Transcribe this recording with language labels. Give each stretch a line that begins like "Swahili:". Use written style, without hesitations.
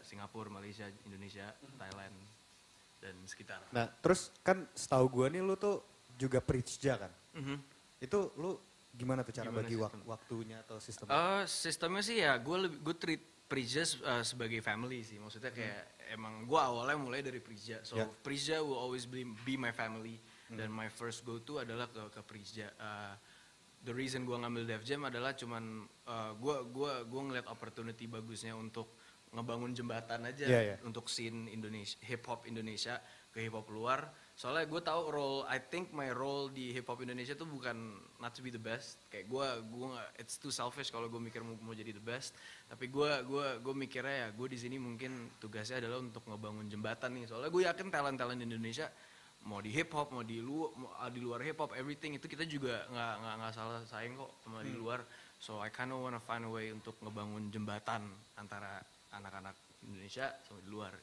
Indonesian: Singapura, Malaysia, Indonesia, Thailand. Dan sekitar. Nah, terus kan setahu gue nih lu tuh juga preacher kan? Mm-hmm. Itu lu gimana tuh cara gimana bagi waktunya atau sistemnya? Sistemnya sih ya gue treat preacher sebagai family sih. Maksudnya kayak emang gue awalnya mulai dari preacher.
English: So yeah. Preacher will always be my family.
Indonesian: Dan
English: my first go to
Indonesian: adalah ke preacher.
English: The reason
Indonesian: gue ngambil Def Jam adalah cuman gue ngeliat opportunity bagusnya untuk ngebangun jembatan aja untuk scene Indonesia, hip hop Indonesia ke hip hop luar. Soalnya gue tahu
English: my role
Indonesian: di hip hop Indonesia tuh bukan
English: not to be the best.
Indonesian: Kayak gue
English: it's too selfish
Indonesian: kalau gue mikir mau jadi
English: the best.
Indonesian: Tapi gue mikirnya ya gue di sini mungkin tugasnya adalah untuk ngebangun jembatan nih. Soalnya gue yakin talent Indonesia mau di hip hop mau di luar hip hop everything itu kita juga nggak salah sayang kok sama di luar.
English: So I kinda wanna find a way
Indonesian: untuk ngebangun jembatan antara anak-anak Indonesia sama di luar.